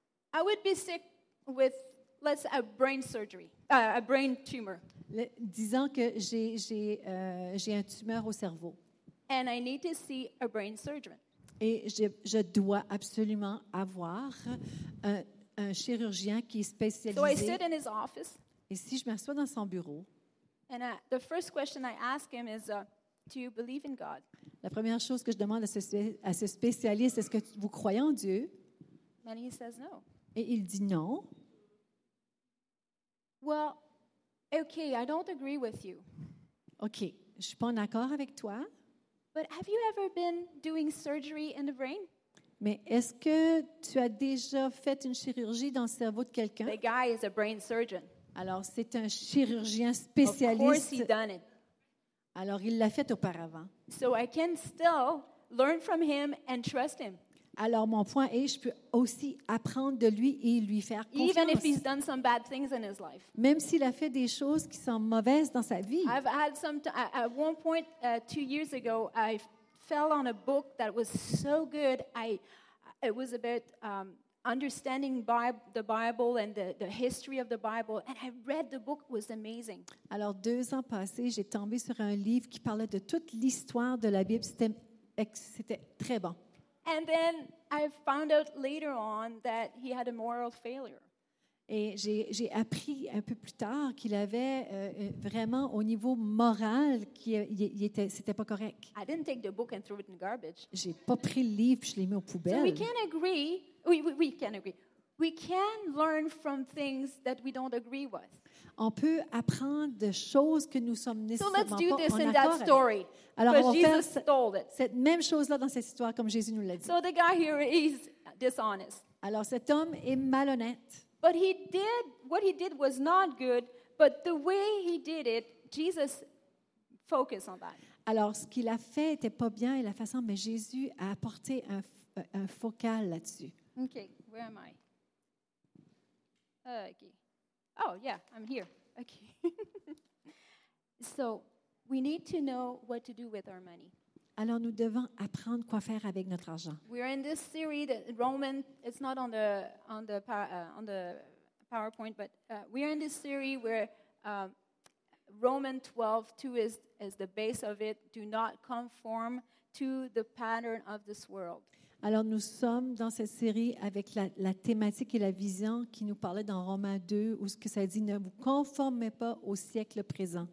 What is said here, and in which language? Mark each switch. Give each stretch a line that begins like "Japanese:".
English: I would be sick with, let's say, a brain surgery, a brain tumor.
French: Disant que j'ai un tumeur au cerveau.
English: And I need to see a brain surgeon.
French: Et je dois absolument avoir un chirurgien qui est spécialisé.
English: So I sit in his office.
French: Et si je m'assois dans son bureau.
English: And the first question I ask him is, do you believe in God?
French: La première chose que je demande à ce spécialiste, est-ce que vous croyez en Dieu?
English: And he says no.
French: Et il dit non.
English: Well, okay, I don't agree with you.
French: Okay, je suis pas en accord avec toi.
English: But have you ever been doing surgery in the brain?
French: Mais est-ce que tu as déjà fait une chirurgie dans le cerveau de quelqu'un?
English: The guy is a brain surgeon.
French: Alors, c'est un chirurgien spécialiste.
English: Of course he's done it.
French: Alors, il l'a fait auparavant.
English: So I can still learn from him and trust him.
French: Alors, mon point est, je peux aussi apprendre de lui et lui faire confiance.
English: Even if he's done some bad things in his life.
French: Même s'il a fait des choses qui sont mauvaises dans sa vie.
English: I've had some at one point 2 years ago, I fell on a book that was so good. It was about understanding the Bible and the history of the Bible, and I read the book, it was amazing.
French: Alors 2 ans passés, j'ai tombé sur un livre qui parlait de toute l'histoire de la Bible. C'était très bon.
English: And then I found out later on that he had a moral failure.
French: Et j'ai appris un peu plus tard qu'il avait vraiment au niveau moral qu'il était, c'était pas correct.
English: I didn't take the book and throw it in the garbage.
French: J'ai pas pris le livre, je l'ai mis aux poubelles.
English: So we can agree. We can agree. We can learn from things that we don't agree with.
French: On peut apprendre de choses que nous sommes nécessairement
English: so
French: pas en accord avec. Alors, on va faire cette même chose-là dans cette histoire comme Jésus nous l'a dit.
English: So the guy here is dishonest.
French: Alors, cet homme est malhonnête.
English: But he did, what he did was not good, but the way he did it, Jesus focused on that.
French: Alors, ce qu'il a fait n'était pas bien, et la façon, mais Jésus a apporté un focal là-dessus.
English: Okay, where am I? Okay. Oh, yeah, I'm here. Okay. So, we need to know what to do with our money.
French: Alors, nous devons apprendre quoi faire avec notre argent.
English: We're in this series, Romans, it's not on the PowerPoint, but we're in this series where Romans 12, 2 is the base of it. Do not conform to the pattern of this world.
French: Alors, nous sommes dans cette série avec la thématique et la vision qui nous parlait dans Romains 2, où ce que ça dit, ne vous conformez pas au siècle présent.